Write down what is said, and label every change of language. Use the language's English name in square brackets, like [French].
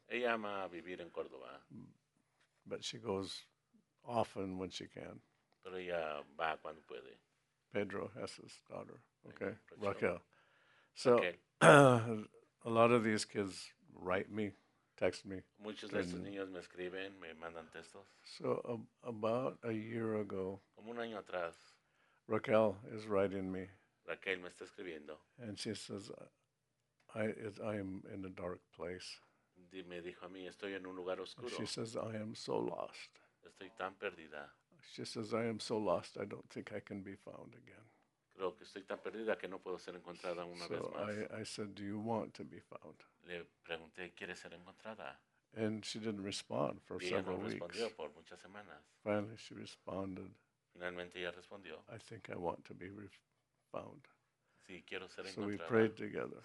[Spanish] Ella ama vivir en Cordoba. [English] But she goes often when she can. [Spanish] Pero ella va cuando puede. [English] Pedro has his daughter, okay, Raquel. So a lot of these kids write me, text me. [Spanish] Muchos de estos niños me escriben, me mandan textos. [English] So about a year ago, [Spanish] como un año atrás, [English] Raquel is writing me. [Spanish] Raquel me está escribiendo. [English] And she says, I am in a dark place. [Spanish] Me dijo a mí, estoy en un lugar oscuro. [English] And she says, I am so lost. [Spanish] Estoy tan perdida. [English] She says, I am so lost, I don't think I can be found again. [Spanish] Creo que estoy tan perdida que no puedo ser encontrada una vez más. [English] I said, do you want to be found? [Spanish] Le pregunté, ¿quieres ser encontrada? [English] And she didn't respond for [Spanish] ella [English] several [Spanish] no [English] weeks. [Spanish] Respondió por muchas semanas. [English] Finally, she responded. [Spanish] Finalmente ella respondió. [English] I think I want to be found. [Spanish] Sí, quiero ser [English] so [Spanish] encontrada. [English] We prayed together.